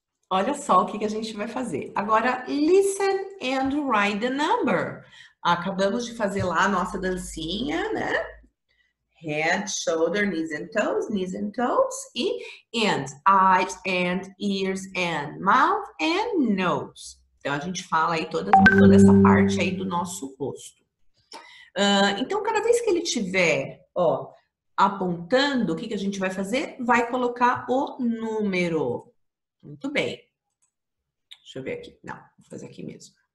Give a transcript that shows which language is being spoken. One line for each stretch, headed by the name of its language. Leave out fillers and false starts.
Portuguese: Olha só o que a gente vai fazer. Agora,
English: listen and write the number.
Portuguese: Acabamos de fazer lá a nossa dancinha, né?
English: Head, shoulder, knees and toes, e hands, eyes and ears and mouth and nose.
Portuguese: Então, a gente fala aí toda essa parte aí do nosso rosto. Então, cada vez que ele tiver, ó, apontando, o que a gente vai fazer? Vai colocar o número. Muito bem. Deixa eu ver aqui. Não, vou fazer aqui mesmo.